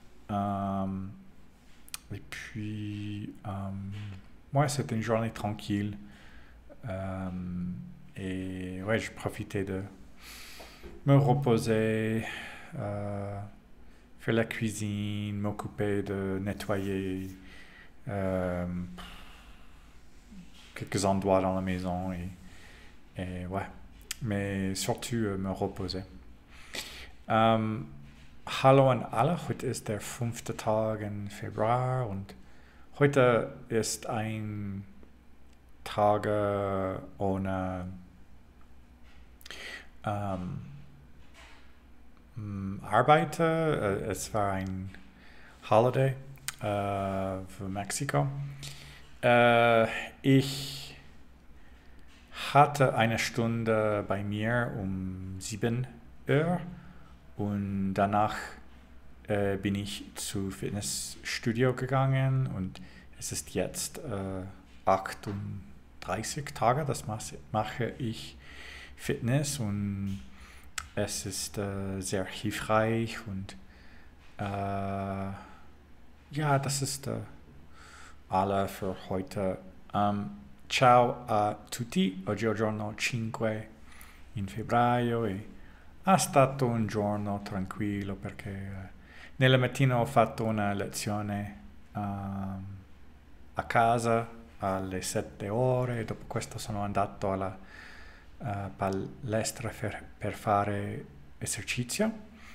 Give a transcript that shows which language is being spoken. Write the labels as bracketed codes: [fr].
[fr] Et puis moi ouais, c'était une journée tranquille, et ouais, j'ai profité de me reposer, faire la cuisine, m'occuper de nettoyer quelques endroits dans la maison, et ouais, mais surtout me reposer. [de] Hallo an alle, heute ist der 5. Tag im Februar, und heute ist ein Tag ohne Arbeit. Es war ein Holiday für Mexiko. Ich hatte eine Stunde bei mir um 7 Uhr. Und danach bin ich zu Fitnessstudio gegangen, und es ist jetzt 38 Tage, das mache ich Fitness, und es ist sehr hilfreich, und ja, das ist alles für heute. [it] Ciao a tutti, oggi è giorno 5 in febbraio, e è stato un giorno tranquillo perché nella mattina ho fatto una lezione a casa alle 7 ore, e dopo questo sono andato alla palestra per fare esercizio,